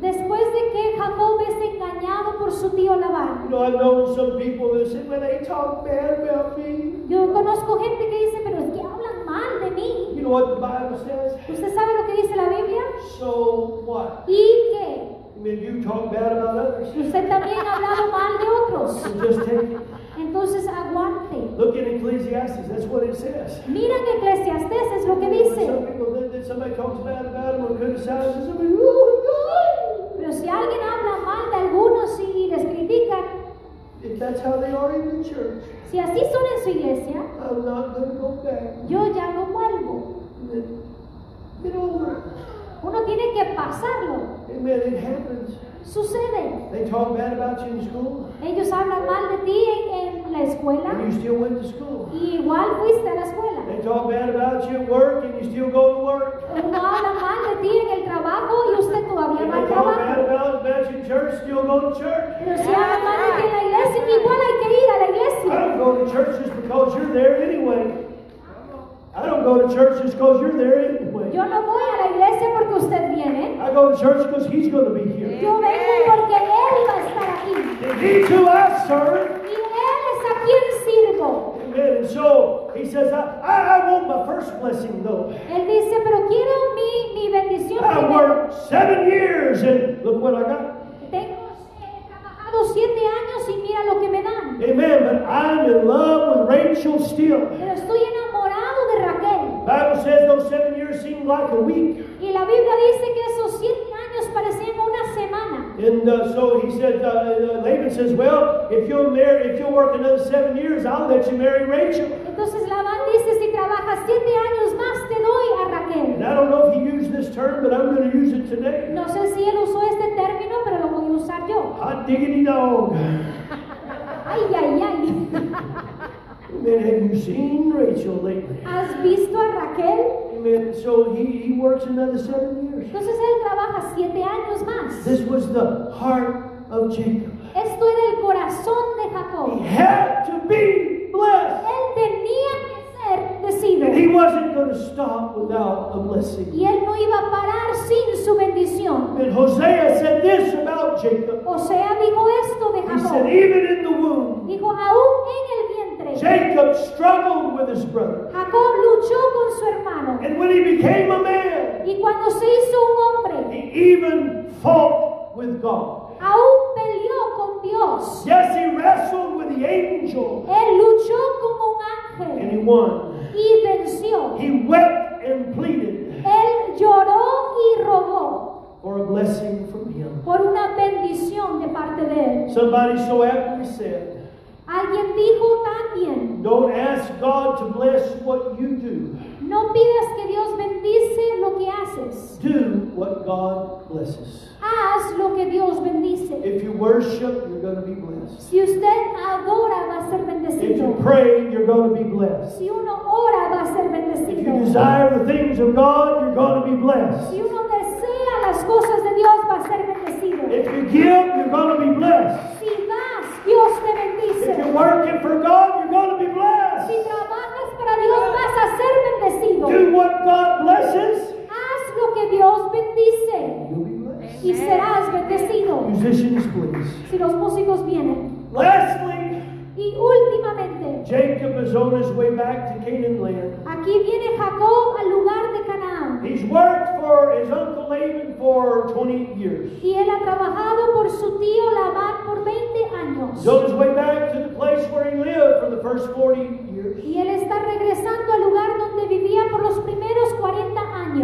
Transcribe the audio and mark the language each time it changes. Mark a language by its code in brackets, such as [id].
[es] Después de que Jacob es engañado por su tío Labán. [en] You know, I know some people that say, well, they talk bad about me. [es] Yo conozco gente que dice, pero es que hablan mal de mí. [en] You know what the Bible says? [es] ¿Usted sabe lo que dice la Biblia? [en] So what? [es] ¿Y qué? [en] I mean, you talk bad about others. [es] Usted también ha hablado mal de otros. [en] Just take it. [es] Entonces aguante. [en] Look in Ecclesiastes, that's what it says. [es] Mira en Ecclesiastes, es lo que dice. [en] Some people, then somebody talks bad about them or criticizes them, and ooh, ooh. [es] Pero si alguien habla mal de algunos y les critican, [en] if that's how they are in the church, [es] si así son en su iglesia, [en] I'm not going to go back. [es] Yo ya no vuelvo. [en] Get over it. [es] Uno tiene que pasarlo. [en] Amen, it happens. [es] Sucede. [en] They talk bad about you in school. [es] Ellos hablan mal de ti en la escuela. [en] And you still went to school. [es] Y igual fuiste a la escuela. [en] They talk bad about you at work and you still go to work. [es] Uno habla mal de ti en el trabajo y usted todavía va al trabajo. [en] They talk bad about you in church, still go to church. [es] Pero si hablan mal de ti en la iglesia, igual hay que ir a la iglesia. [en] I don't go to church just because you're there anyway. I don't go to church just because you're there anyway. [es] Yo no voy a la iglesia porque usted viene. [en] I go to church because He's going to be here. [es] Yo vengo porque Él va a estar aquí. [en] And He to us, sir. [es] Y Él es a quien sirvo. [en] Amen. And so he says, I want my first blessing though. [es] Él dice, pero quiero mi bendición. [en] I worked 7 years and look what I got. [es] Tengo 7 años y mira lo que me dan. [en] Amen. But I'm in love with Rachel still. [es] Pero estoy enamorado. [en] The Bible says those 7 years seem like a week. [es] Y la Biblia dice que esos 7 años parecían una semana. [en] And so he said, Laban says, well, if you'll work another 7 years, I'll let you marry Rachel. [es] Entonces Labán dice, si trabajas 7 años más, te doy a Raquel. [en] And I don't know if he used this term, but I'm going to use it today. [es] No sé si él usó este término, pero lo voy a usar yo. [en] Hot diggity dog. [es] Ay, ay, ay. [en] Amen. Have you seen Rachel lately? [es] ¿Has visto a Raquel? [en] Amen. So he works another 7 years. [es] Entonces él trabaja 7 años más. [en] This was the heart of Jacob. [es] Esto era el corazón de Jacob. [en] He had to be blessed. [es] Él tenía que ser bendecido. [en] And he wasn't going to stop without a blessing. [es] Y él no iba a parar sin su bendición. [en] And Hosea said this about Jacob. [es] Hosea dijo esto de Jacob. [en] He said, even in the womb. [es] Dijo, aún en el vientre. [en] Jacob struggled with his brother. [es] Jacob luchó con su hermano. [en] And when he became a man, [es] y cuando se hizo un hombre, [en] he even fought with God. [es] Aún peleó con Dios. [en] Yes, he wrestled with the angel. [es] Él luchó con un ángel. [en] And he won. [es] Y venció. [en] He wept and pleaded. [es] Él lloró y rogó. [en] For a blessing from him. [es] Por una bendición de parte de él. [en] Somebody so aptly said. [es] Alguien dijo también. [en] Don't ask God to bless what you do. [es] No pidas que Dios bendice lo que haces. [en] Do what God blesses. [es] Haz lo que Dios bendice. [en] If you worship, you're going to be blessed. [es] Si usted adora, va a ser bendecido. [en] If you pray, you're going to be blessed. [es] Si uno ora, va a ser bendecido. [en] If you desire the things of God, you're going to be blessed. [es] Si uno desea las cosas de Dios, va a ser bendecido. [en] If you give, you're going to be blessed. [es] Si das, Dios te bendice. [en] If you're working for God, you're going to be blessed. [es] Si trabajas para Dios, vas a ser bendecido. [en] Do what God blesses. [es] Haz lo que Dios bendice. Y serás bendecido. [en] Musicians, please. [es] Si los músicos vienen. [en] Lastly. [es] Y últimamente. [en] Jacob is on his way back to Canaan land. [es] Aquí viene Jacob al lugar de Canaán. [en] He's worked for for his uncle Laban for 20 years. [es] Y él ha trabajado por su tío Labán por 20 años. [en] Goes his way back to the place where he lived for the first 40 years. [es] Y él está regresando al lugar donde vivía por los primeros 40 años.